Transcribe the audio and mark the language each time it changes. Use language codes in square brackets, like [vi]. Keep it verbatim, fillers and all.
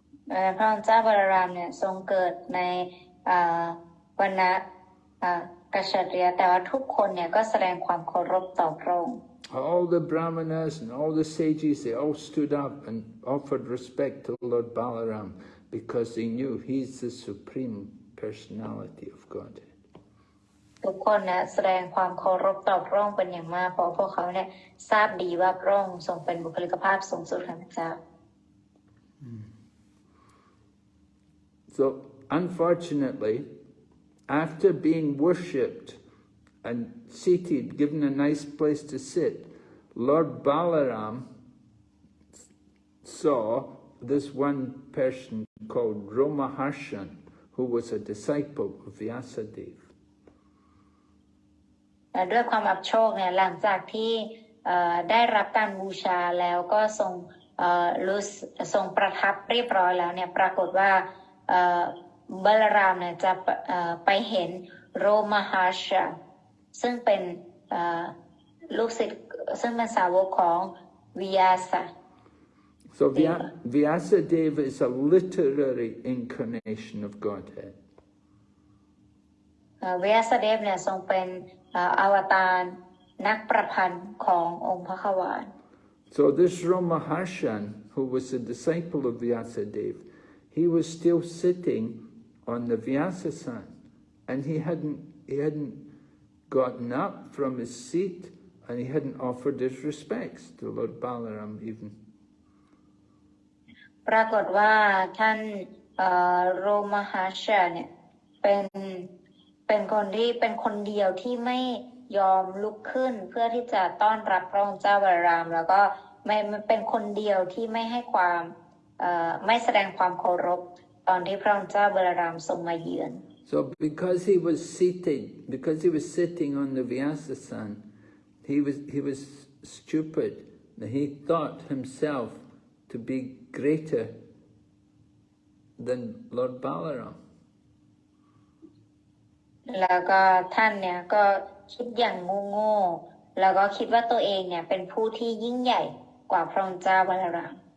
[th] เอ่อพระองค์เจ้าบารารามเนี่ยทรงเกิดในเอ่อวรรณะเอ่อกษัตริย์แต่ว่าทุกคนเนี่ยก็แสดงความเคารพต่อพระองค์ [en] All the brahmanas and all the sages, they all stood up and offered respect to Lord Balaram because they knew he's the Supreme Personality of Godhead. [th] ทุกคนเนี่ยแสดงความเคารพต่อพระองค์เป็นอย่างมาก เพราะพวกเขาเนี่ยทราบดีว่าพระองค์ทรงเป็นบุคลิกภาพสูงสุดของพระเจ้า [en] So, unfortunately, after being worshipped and seated, given a nice place to sit, Lord Balaram saw this one person called Romaharshan who was a disciple of Vyasadeva. [th] และด้วยความอับโชคเนี่ยหลังจากที่เอ่อได้รับการบูชาแล้วก็ทรงเอ่อรู้สึกทรงประทับเรียบร้อยแล้วเนี่ยปรากฏว่าเอ่อบัลลารามเนี่ยจะเอ่อไปเห็นโรมหาชาซึ่งเป็นเอ่อลูกศิษย์ซึ่งเป็นสาวกของวิยาสะ [en] So Vya- Vyasadeva is a literary incarnation of Godhead. [th] เอ่อวิยาสเดฟเนี่ยทรงเป็นเอ่ออวตารนักประพันธ์ขององค์พระขวาน [en] So this Romaharshan, who was a disciple of Vyasadeva, he was still sitting on the Vyasasan, and he hadn't, he hadn't gotten up from his seat, and he hadn't offered his respects to Lord Balaram even. [th] ปรากฏว่าท่านเอ่อโรมหาชาเนี่ยเป็นเป็นคนที่เป็นคนเดียวที่ไม่ยอมลุกขึ้นเพื่อที่จะต้อนรับพระองค์เจ้าบาราม แล้วก็ไม่เป็นคนเดียวที่ไม่ให้ความเอ่อไม่แสดงความเคารพตอนที่พระองค์เจ้าบารามทรงมาเยือน [en] So because he was seated, because he was sitting on the Vyasasan, he was, he was stupid. He thought himself to be greater than Lord Balaram. [th] แล้วก็ท่านเนี่ยก็คิดอย่างโง่ๆแล้วก็คิดว่าตัวเองเนี่ยเป็นผู้ที่ยิ่งใหญ่กว่าพระองค์เจ้าบาราม